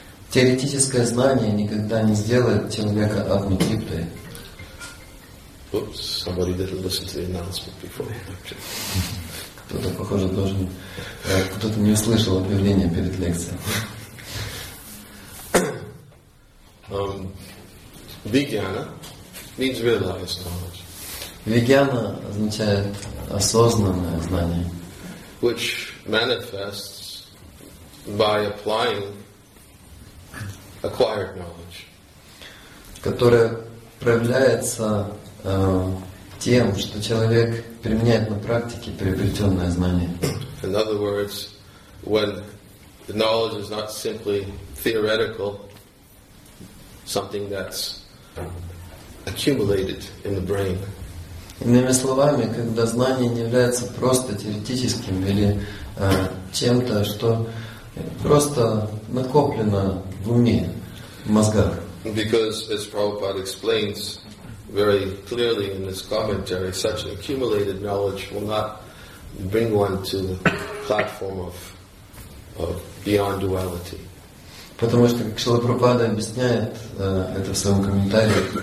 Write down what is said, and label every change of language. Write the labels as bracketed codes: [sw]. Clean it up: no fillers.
[ru] Теоретическое знание никогда не сделает человека атма-триптой. [en] Oops, somebody didn't listen to the announcement before. [ru] Кто-то, похоже, должен... Кто-то не услышал объявление перед лекцией. [en] Vijnana means realized knowledge. [ru] Vijnana означает осознанное знание, [en] which manifests by applying acquired knowledge. [ru] Которое проявляется тем, что человек применяет на практике приобретенное знание. [en] In other words, when the knowledge is not simply theoretical, something that's accumulated in the brain. [ru] Иными словами, когда знание не является просто теоретическим или чем-то, что просто накоплено в уме, в мозгах. [en] Because, as Prabhupada explains very clearly in his commentary, such accumulated knowledge will not bring one to the platform of beyond duality. [ru] Потому что, как Шрила Прабхупада объясняет это в своем комментарии,